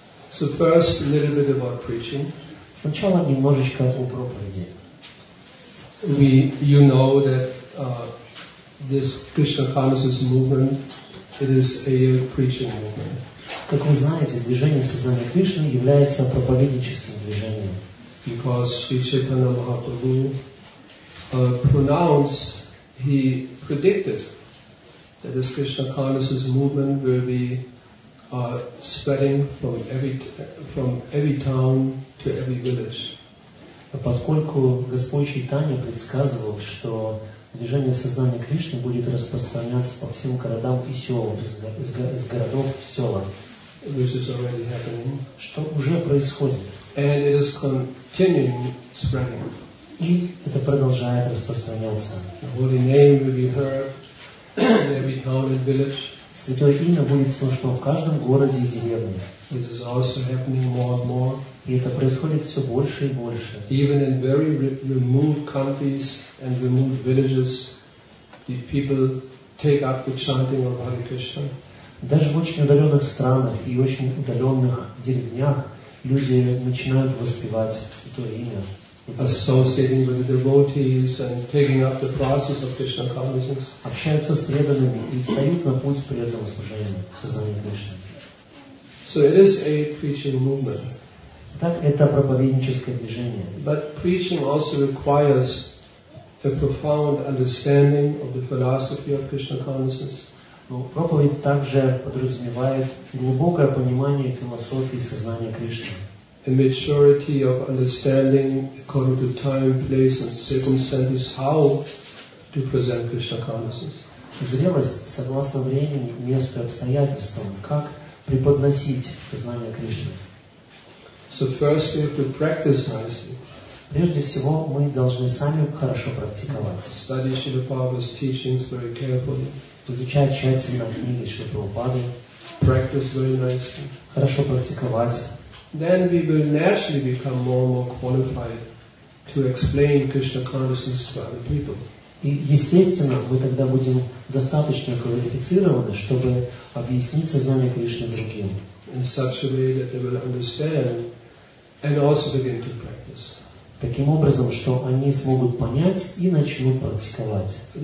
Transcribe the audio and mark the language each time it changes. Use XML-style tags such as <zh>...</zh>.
<en>So first, a little bit about preaching. This Krishna consciousness movement, it is a preaching movement.</en> <ru>Как вы знаете, движение сознания Кришны является проповедническим движением.</ru> <en>Because Sri Chaitanya Mahaprabhu predicted that this Krishna consciousness movement will be spreading from every town to every village.</en> <ru>Поскольку Господь Чайтанья предсказывал, что движение сознания Кришны будет распространяться по всем городам и селам, из городов в села.</ru> <en>Which is already happening.</en> <ru>Что уже происходит.</ru> <en>And it is continuing spreading.</en> <ru>И это продолжает распространяться.</ru> <en>The holy name will be heard in every town and village.</en> <ru>Святое имя будет слышно в каждом городе и деревне.</ru> <en>It is also happening more and more.</en> <ru>И это происходит все больше и больше.</ru> <en>Even in very remote countries and remote villages, the people take up the chanting of Hare Krishna.</en> <ru>Даже в очень удаленных странах и очень удаленных деревнях люди начинают воспевать Святое Имя.</ru> <en>Associating with the devotees and taking up the process of Krishna consciousness.</en> <ru>Общаются с преданными и встают на путь преданного служения сознания Кришны.</ru> <en>So it is a preaching movement.</en> <ru>Так это проповедническое движение.</ru> <en>But preaching also requires a profound understanding of the philosophy of Krishna consciousness.</en> <ru>Но проповедь также подразумевает глубокое понимание философии сознания Кришны.</ru> <en>A maturity of understanding according to time, place, and circumstances how to present Krishna consciousness.</en> <ru>Зрелость согласно времени, месту и обстоятельствам, как преподносить сознание Кришны.</ru> <en>So first we have to practice nicely.</en> <ru>Прежде всего, мы должны сами хорошо практиковать.</ru> <en>Study Srila Prabhupada's teachings very carefully.</en> <ru>Изучать тщательно книги Шри Прабхупады.</ru> <en>Practice very nicely.</en> <ru>Хорошо практиковать.</ru> <en>Then we will naturally become more and more qualified to explain Krishna consciousness to other people.</en> <ru>И естественно, мы тогда будем достаточно квалифицированы, чтобы объяснить сознание Кришны другим.</ru> <en>In such a way that they will understand and also begin to practice.</en> <ru>Таким образом, что они смогут понять и начнут практиковать.</ru>